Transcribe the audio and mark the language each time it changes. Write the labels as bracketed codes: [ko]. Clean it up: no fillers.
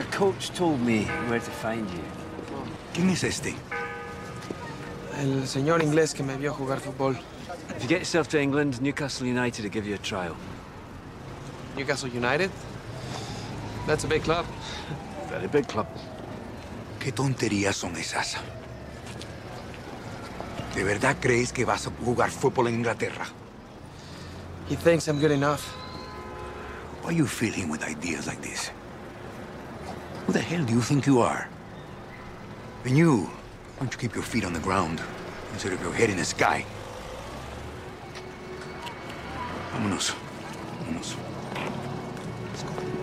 [en] Your coach told me where to find you. [es] ¿Quién es este? El señor inglés que me vio jugar fútbol. [en] If you get yourself to England, Newcastle United will give you a trial. Newcastle United? That's a big club. Very big club. [es] ¿Qué tonterías son esas? ¿De verdad crees que vas a jugar fútbol en Inglaterra? [en] He thinks I'm good enough. Why are you filling him with ideas like this? Who the hell do you think you are? And you, why don't you keep your feet on the ground instead of your head in the sky? [es] Vámonos. Vámonos. [en] Let's go.